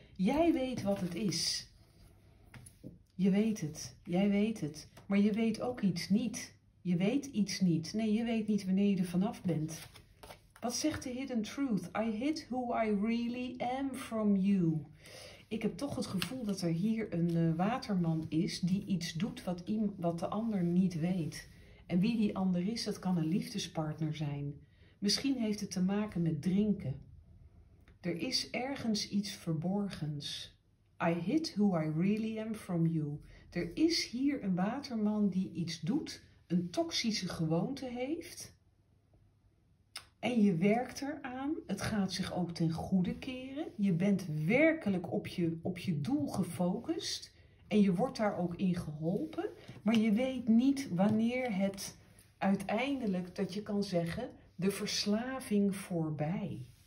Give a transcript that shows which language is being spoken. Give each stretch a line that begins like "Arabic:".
Dutch: Jij weet wat het is. Je weet het. Jij weet het. Maar je weet ook iets niet. Je weet iets niet. Nee, je weet niet wanneer je er vanaf bent. Wat zegt de hidden truth?
English: I hid who I really am from you.
Dutch: Ik heb toch het gevoel dat er hier een waterman is die iets doet wat de ander niet weet. En wie die ander is, dat kan een liefdespartner zijn. Misschien heeft het te maken met drinken. Er is ergens iets verborgens.
English: I hid who I really am from you.
Dutch: Er is hier een waterman die iets doet, een toxische gewoonte heeft. En je werkt eraan. Het gaat zich ook ten goede keren. Je bent werkelijk op je doel gefocust. En je wordt daar ook in geholpen. Maar je weet niet wanneer het uiteindelijk, dat je kan zeggen, de verslaving voorbij.